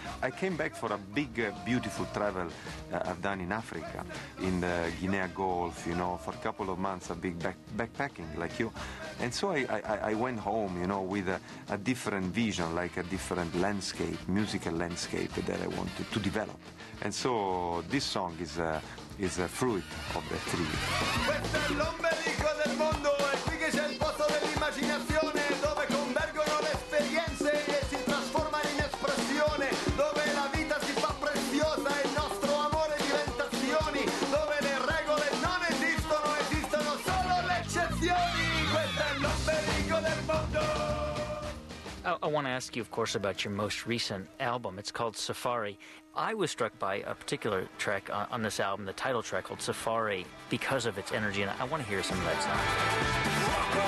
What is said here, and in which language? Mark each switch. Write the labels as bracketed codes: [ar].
[en] I came back for a big, beautiful travel I've done in Africa, in the Guinea Gulf, you know, for a couple of months, a big backpacking like you. And so I went home, you know, with a different vision, like a different landscape, musical landscape that I wanted to develop. And so this song is a fruit of the tree. [it] Questo è l'ombelico del mondo, e qui che c'è il posto dell'immaginazione, dove convergono le esperienze e si trasformano in espressione, dove la vita si fa preziosa e il nostro amore diventa azioni, dove le regole non esistono, esistono solo le eccezioni. Questo è l'ombelico del mondo. [en] I want to ask you, of course, about your most recent album. It's called Safari. I was struck by a particular track on this album, the title track called Safari, because of its energy, and I want to hear some of that song.